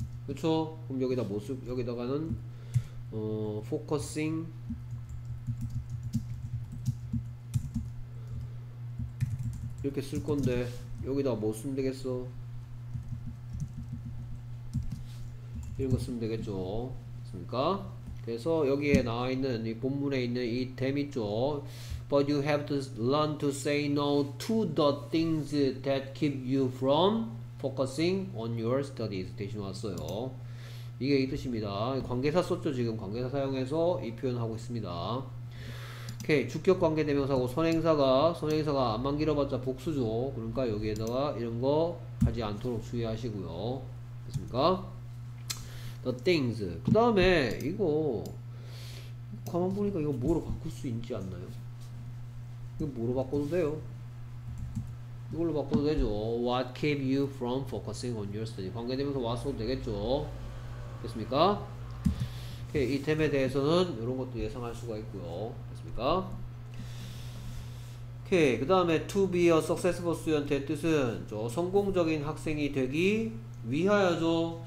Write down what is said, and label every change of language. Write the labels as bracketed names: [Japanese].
[Korean] 그쵸? 그럼 여기다 뭐 쓸, 여기다가는 focusing focusing 이렇게 쓸 건데 여기다 뭐 쓰면 되겠어. 이런 거 쓰면 되겠죠. 그러니까 그래서 여기에 나와 있는 이 본문에 있는 이 댐 있죠. [English] But you have to learn to say no to the things that keep you from focusing on your studies. [Korean] 대신 왔어요. 이게 이 뜻입니다. 관계사 썼죠. 지금 관계사 사용해서 이 표현하고 있습니다. 오케이. 주격 관계 대명사고 선행사가 안만 길어봤자 복수죠. 그러니까 여기에다가 이런 거 하지 않도록 주의하시고요. [English] 됐습니까? The things. [Korean] 그 다음에 이거 가만 보니까 이거 뭐로 바꿀 수 있지 않나요? 이거 뭐로 바꿔도 돼요? 이걸로 바꿔도 되죠. [English] What keep you from focusing on your study? [Korean] 관계되면서 왔어도 되겠죠. 됐습니까? 오케이, 이 템에 대해서는 이런 것도 예상할 수가 있고요. 됐습니까? 오케이, 그 다음에 [English] To be a successful student [Korean] 의 뜻은 저 성공적인 학생이 되기 위하여죠.